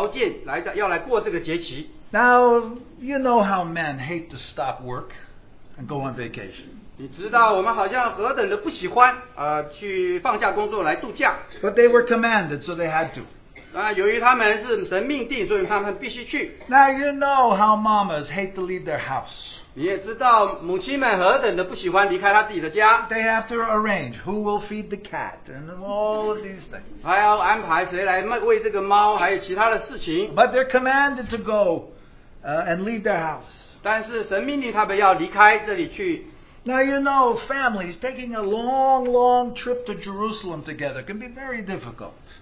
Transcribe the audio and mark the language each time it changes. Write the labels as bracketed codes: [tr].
[zh] 所以这男丁每年三次要来朝见，来要来过这个节期。 [en] Now, you know how men hate to stop work and go on vacation. [zh] 你知道我们好像何等的不喜欢去放下工作来度假。 [en] But they were commanded, so they had to. [zh] 由于他们是神命定，所以他们必须去。 [en] Now, you know how mamas hate to leave their house. [zh] 你也知道母亲们何等的不喜欢离开她自己的家。 [en] They have to arrange who will feed the cat and all of these things. [zh] 还要安排谁来喂这个猫，还有其他的事情。 [en] But they're commanded to go. And leave their house. [zh] 但是神命令他们要离开这里去。 [en] Now you know, families taking a long, long trip to Jerusalem together can be very difficult.